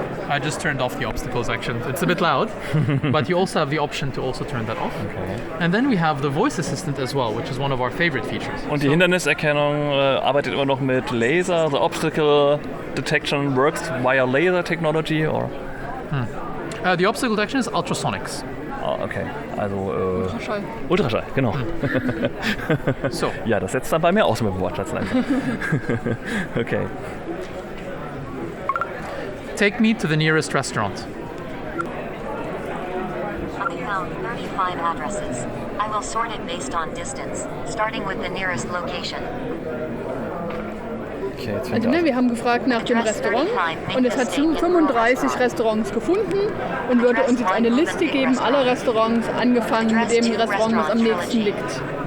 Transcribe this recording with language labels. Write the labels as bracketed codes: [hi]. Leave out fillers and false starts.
[en] I just turned off the obstacle section. It's a bit loud, but you also have the option to also turn that off. Okay. And then we have the voice assistant as well, which is one of our favorite features. [de] Und die Hinderniserkennung arbeitet immer noch mit Laser. [en] The obstacle detection works via laser technology or? The obstacle detection is ultrasonics. [de] Okay, also Ultraschall. Ultraschall, genau. [en] So. [de] Ja, das setzt dann bei mir aus mit dem Wortschatz einfach. [en] Okay. Take me to the nearest restaurant. I found 35 addresses. I will sort it based on distance, starting with the nearest location. Okay, [de] also, wir haben gefragt nach dem Restaurant und es hat 35 Restaurants gefunden und würde uns jetzt eine Liste geben aller Restaurants, angefangen mit dem Restaurant, was am nächsten liegt.